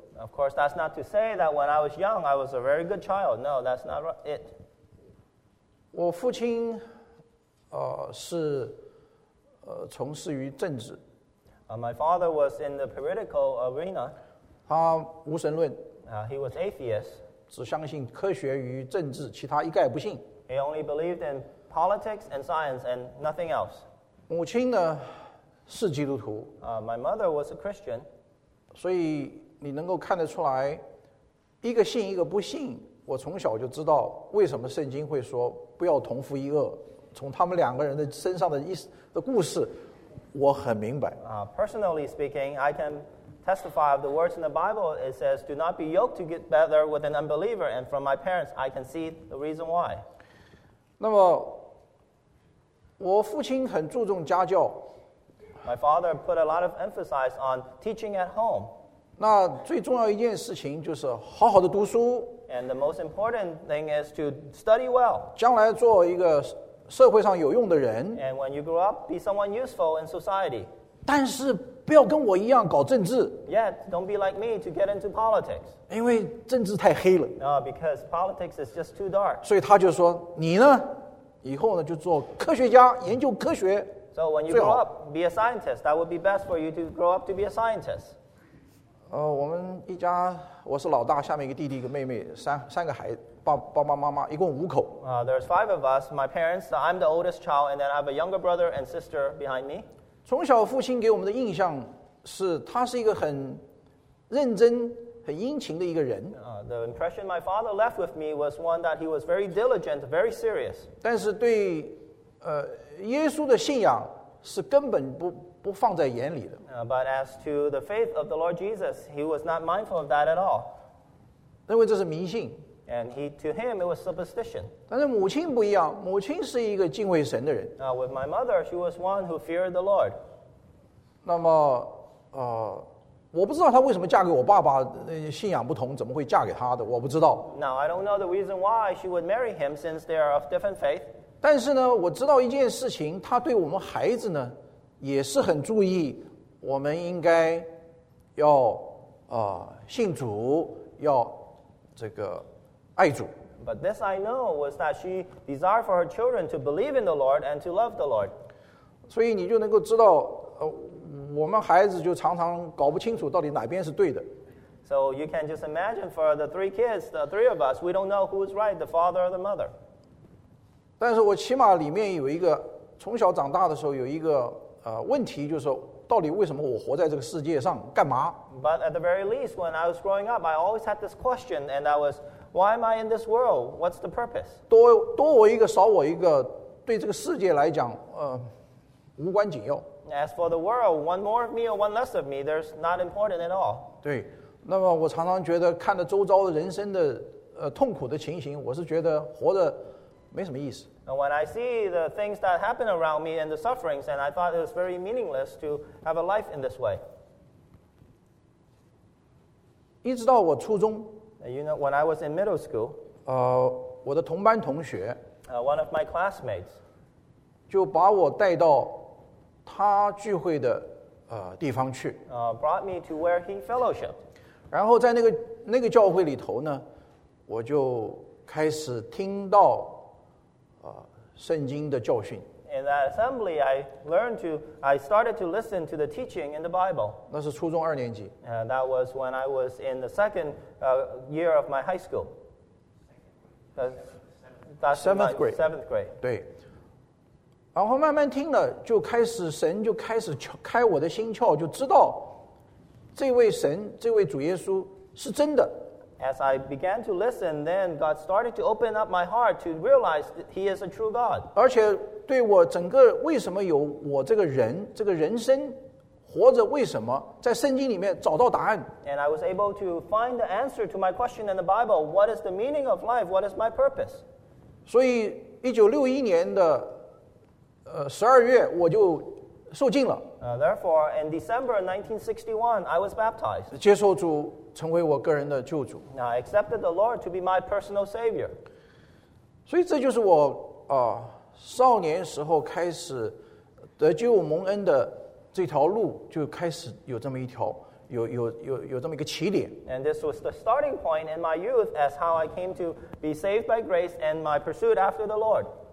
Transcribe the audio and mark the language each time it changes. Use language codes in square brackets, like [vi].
[en] Of course, that's not to say that when I was young, I was a very good child. No, that's not it. [zh] 我父亲是从事于政治。 [en] My father was in the political arena. [zh] 他无神论。 [en] He was atheist. [zh] 只相信科学与政治，其他一概不信。 [en] He only believed in politics and science and nothing else. [zh] 母亲呢是基督徒。 [en] My mother was a Christian. [zh] 所以你能够看得出来，一个信一个不信，我从小就知道为什么圣经会说不要同父异轭。从他们两个人的身上的故事，我很明白。 [en] Personally speaking, I can testify of the words in the Bible. It says, "Do not be yoked together with an unbeliever." And from my parents, I can see the reason why. [zh] 那么，我父亲很注重家教。 [en] My father put a lot of emphasis on teaching at home. [zh] 那最重要一件事情就是好好的读书。 [en] And the most important thing is to study well. [zh] 将来做一个社会上有用的人。 [en] And when you grow up, be someone useful in society. [zh] 但是不要跟我一样搞政治。 [en] Yet, don't be like me to get into politics. [zh] 因为政治太黑了。 [en] No, because politics is just too dark. [zh] 所以他就说，你呢，以后呢，就做科学家，研究科学。 [en] So when you grow up, be a scientist. That would be best for you to grow up to be a scientist. [zh] 我们一家，我是老大，下面一个弟弟，一个妹妹，三个孩子。爸爸妈妈一共五口。 [en] There's five of us. My parents. I'm the oldest child, and then I have a younger brother and sister behind me. [zh] 从小父亲给我们的印象是，他是一个很认真、很殷勤的一个人。 [en] The impression my father left with me was one that he was very diligent, very serious. [zh] 但是对耶稣的信仰是根本不放在眼里的。 [en] But as to the faith of the Lord Jesus, he was not mindful of that at all. [zh] 认为这是迷信。 [en] And he, to him, it was superstition. [zh] 但是母亲不一样，母亲是一个敬畏神的人。 [en] With my mother, she was one who feared the Lord. [zh] 那么，我不知道她为什么嫁给我爸爸，信仰不同，怎么会嫁给他的？我不知道。 [en] Now I don't know the reason why she would marry him, since they are of different faith. [zh] 但是呢，我知道一件事情，她对我们孩子呢，也是很注意，我们应该要信主，要这个。 [en] But this I know was that she desired for her children to believe in the Lord and to love the Lord. [zh] 所以你就能够知道，我们孩子就常常搞不清楚到底哪边是对的。 [en] So you can just imagine for the three kids, the three of us, we don't know who is right, the father or the mother. [zh] 但是我起码里面有一个，从小长大的时候有一个问题，就是说到底为什么我活在这个世界上干嘛？ [en] But at the very least, when I was growing up, I always had this question, and I was. Why am I in this world? What's the purpose? [zh] 多我一个少我一个，对这个世界来讲，无关紧要。 [en] As for the world, one more of me or one less of me, there's not important at all. [zh] 对，那么我常常觉得看着周遭人生的痛苦的情形，我是觉得活着没什么意思。 [en] And when I see the things that happen around me and the sufferings, and I thought it was very meaningless to have a life in this way. [zh] 一直到我初中。 [en] You know, when I was in middle school, [zh] 我的同班同学 [en] one of my classmates, [zh] 就把我带到他聚会的地方去 [en] brought me to where he fellowshiped. [zh] 然后在那个教会里头呢，我就开始听到圣经的教训。 [en] In that assembly, I started to listen to the teaching in the Bible. [zh] 那是初中二年级。 [en] That was when I was in the second year of my high school. seventh grade. Seventh grade. [zh] 对。然后慢慢听了，就开始神就开始开我的心窍，就知道这位神，这位主耶稣是真的。 [en] As I began to listen, then God started to open up my heart to realize that He is a true God. [zh] 而且对我整个为什么有我这个人，这个人生活着为什么，在圣经里面找到答案。 [en] And I was able to find the answer to my question in the Bible. What is the meaning of life? What is my purpose? [zh] 所以1961年的12月我就受浸了。 [en] Therefore, in December 1961, I was baptized. [zh] 接受主成为我个人的救主。 [en] Now, I accepted the Lord to be my personal savior. [zh] 所以这就是我少年时候开始得救蒙恩的这条路，就开始有这么一条，有这么一个起点。 [en] And this was the starting point in my youth as how I came to be saved by grace and my pursuit after the Lord.